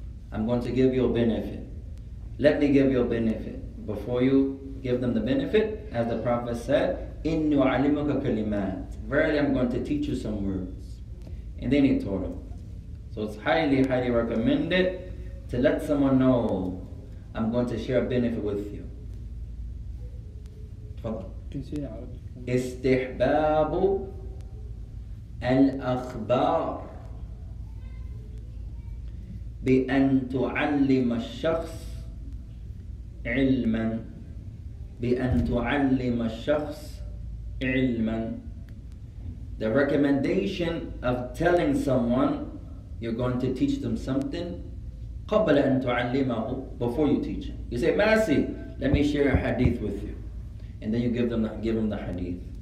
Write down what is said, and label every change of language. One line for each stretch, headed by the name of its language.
English: I'm going to give you a benefit. Let me give you a benefit before you give them the benefit, as the Prophet said,
Arabic: إِنِّ أُعَلِّمُكَ كَلِمَاتٍ.
English: Verily, I'm going to teach you some words. And then he taught him. So it's highly, highly recommended to let someone know, I'm going to share a benefit with you.
Arabic: تفضل. استحباب الأخبار بأن تعلم الشخص علما. بأن تعلم الشخص علما
English: The recommendation of telling someone you're going to teach them something
Arabic: قبل أن تعلمه,
English: before you teach him. You say, Masi, let me share a hadith with you. And then you give them the hadith.